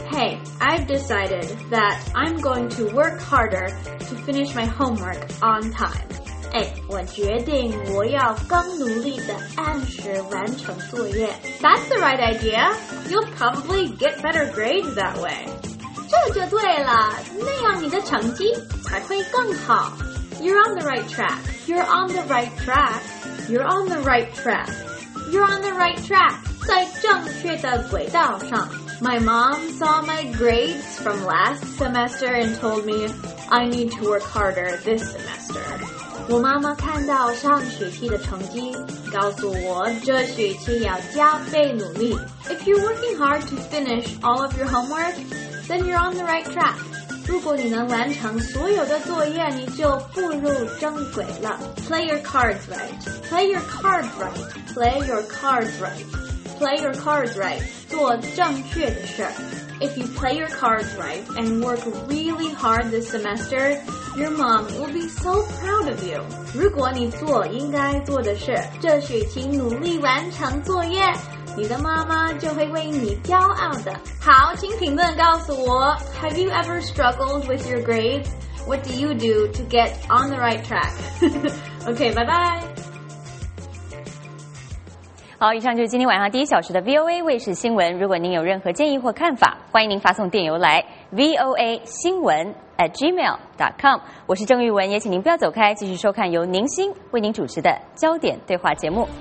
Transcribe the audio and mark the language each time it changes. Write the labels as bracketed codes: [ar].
[en] Hey, I've decided that I'm going to work harder to finish my homework on time. [zh] 我决定我要更努力地按时完成作业。 [en] That's the right idea. You'll probably get better grades that way. [zh] 这就对了，那样你的成绩才会更好。 [en] You're on the right track. You're on the right track. You're on the right track. You're on the right track. [zh] 在正确的轨道上。 [en] My mom saw my grades from last semester and told me I need to work harder this semester. [zh] 我妈妈看到上学期的成绩，告诉我这学期要加倍努力。 [en] If you're working hard to finish all of your homework, then you're on the right track. [zh] 如果你能完成所有的作业，你就步入正轨了。 [en] Play your cards right. Play your cards right. Play your cards right. Play your cards right. [zh] 做正确的事。 [en] If you play your cards right and work really hard this semester, your mom will be so proud of you. [zh] 如果你做应该做的事，这学期努力完成作业，你的妈妈就会为你骄傲的。好，请评论告诉我 ， [en] Have you ever struggled with your grades? What do you do to get on the right track? Okay, bye bye. [zh] 好，以上就是今天晚上第一小时的 VOA 卫视新闻。如果您有任何建议或看法，欢迎您发送电邮来 voa@gmail.com。我是郑玉文，也请您不要走开，继续收看由宁馨为您主持的焦点对话节目。